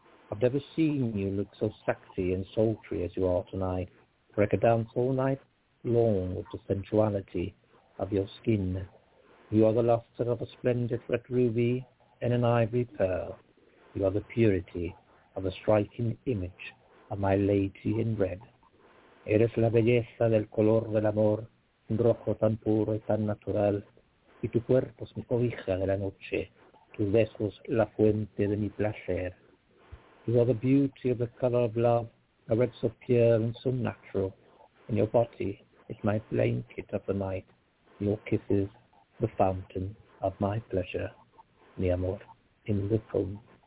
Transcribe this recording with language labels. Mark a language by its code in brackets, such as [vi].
[en] I've never seen you look so sexy and sultry as you are tonight, for I could dance all night long with the sensuality of your skin. You are the luster of a splendid red ruby, and an ivory pearl. You are the purity of a striking image of my lady in red. [es] Eres la belleza del color del amor, un rojo tan puro y tan natural, y tu cuerpo es mi cobija de la noche, tus besos la fuente de mi placer. [en] You are the beauty of the color of love, a red so pure and so natural, and your body is my blanket of the night, your kisses the fountain of my pleasure. [es] Mi amor, [en] in the poem.